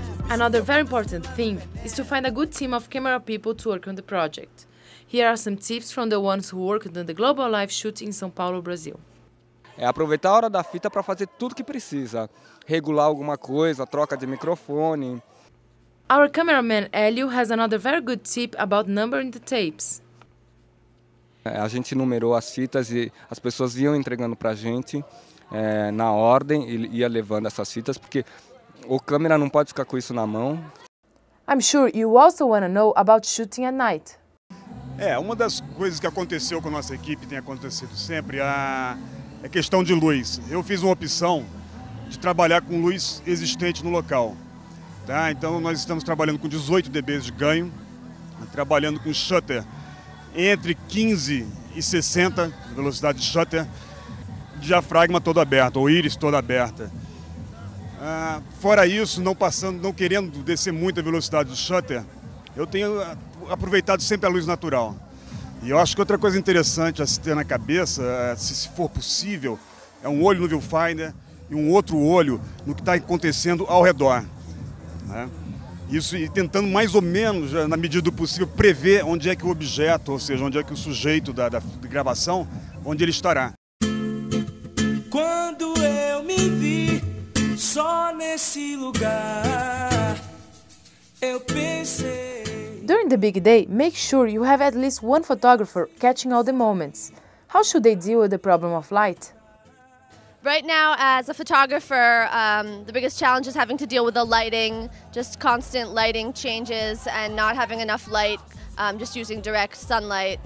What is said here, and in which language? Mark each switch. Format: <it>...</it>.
<en>Another very important thing is to find a good team of camera people to work on the project. Here are some tips from the ones who worked on the Global Lives shoot in São Paulo, Brazil.</en> <pt>É aproveitar a hora da fita para fazer tudo que precisa. Regular alguma coisa, troca de microfone.</pt> <en>Our cameraman, Hélio, has another very good tip about numbering the tapes.</en> <pt>A gente numerou as fitas e as pessoas iam entregando para a gente na ordem e ia levando essas fitas, porque o câmera não pode ficar com isso na mão.</pt> <en>I'm sure you also want to know about shooting at night.</en> <pt>Uma das coisas que aconteceu com a nossa equipe, tem acontecido sempre, é questão de luz. Eu fiz uma opção de trabalhar com luz existente no local. Tá? Então nós estamos trabalhando com 18 dB de ganho, trabalhando com shutter entre 15 e 60, velocidade de shutter, diafragma todo aberto, ou íris toda aberta. Fora isso, não querendo descer muito a velocidade do shutter, eu tenho aproveitado sempre a luz natural. E eu acho que outra coisa interessante a se ter na cabeça, se for possível, é um olho no viewfinder e um outro olho no que está acontecendo ao redor. Né? Isso e tentando mais ou menos, na medida do possível, prever onde é que o objeto, ou seja, onde é que o sujeito da gravação, onde ele estará. Quando eu me vi só nesse lugar, eu pensei...</pt> <en>During the big day, make sure you have at least one photographer catching all the moments. How should they deal with the problem of light? Right now, as a photographer, the biggest challenge is having to deal with the lighting, just constant lighting changes and not having enough light, just using direct sunlight.</en>